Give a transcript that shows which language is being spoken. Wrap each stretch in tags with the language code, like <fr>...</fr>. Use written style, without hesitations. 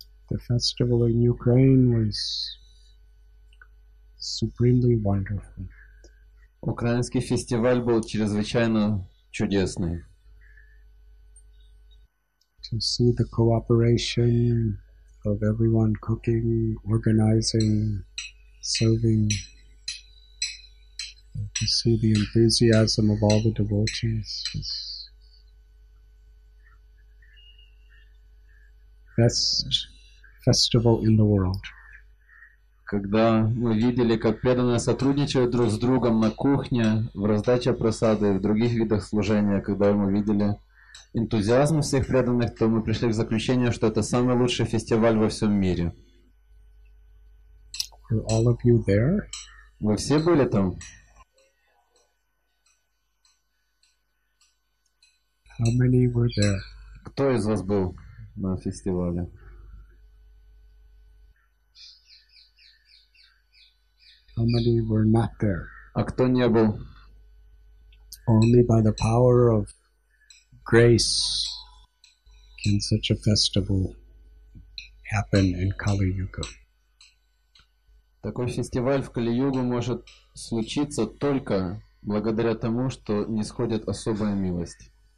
<en>The festival in Ukraine was supremely wonderful.</en> <ru>Украинский фестиваль был чрезвычайно чудесный.</ru> <en>To see the cooperation of everyone cooking, organizing, serving. To see the enthusiasm of all the devotees. It's best festival in the world.</en> <ru>Когда мы видели, как преданные сотрудничают друг с другом на кухне, в раздаче просады и в других видах служения, когда мы видели энтузиазм всех преданных, то мы пришли к заключению, что это самый лучший фестиваль во всем мире.</ru> <en>Were all of you there?</en> <ru>Вы все были там?</ru> <en>How many were there?</en> <ru>Кто из вас был на фестивале?</ru> <en>How many were not there?</en> <ru>А кто не был?</ru> <en>Only by the power of grace can such a festival happen in Kali-Yuga.</en> <ru>Такой фестиваль в Кали-Югу может случиться только благодаря тому, что нисходит особая милость.</ru>